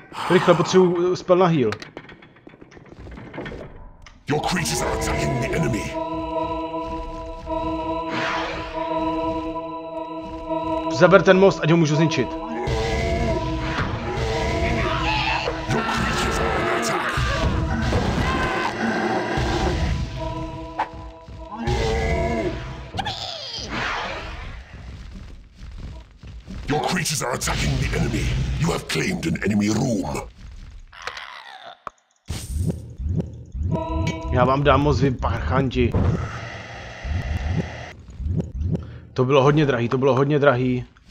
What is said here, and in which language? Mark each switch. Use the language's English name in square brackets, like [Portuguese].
[Czech] Rychle, potřebuji spell na heal. [English] Your creatures are attacking the enemy. [Czech] Zaber ten most, ať ho můžu zničit. [English] Your creatures are under attack. Creatures are attacking the enemy. You have claimed an enemy room. [Czech] Já vám dám moc, vy parchanti. To bylo hodně drahý, to bylo hodně drahý.